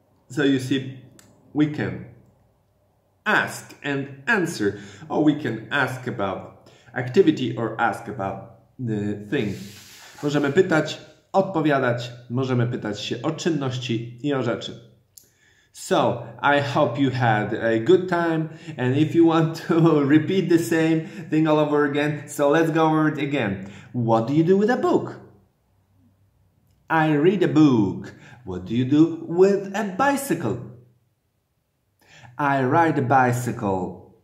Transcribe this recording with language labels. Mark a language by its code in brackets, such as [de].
[en] So you see, we can ask and answer. Or we can ask about activity or ask about the thing. [pl] Możemy pytać, odpowiadać. Możemy pytać się o czynności i o rzeczy. [en] So, I hope you had a good time. And if you want to repeat the same thing all over again, so let's go over it again. What do you do with a book? I read a book. What do you do with a bicycle? I ride a bicycle.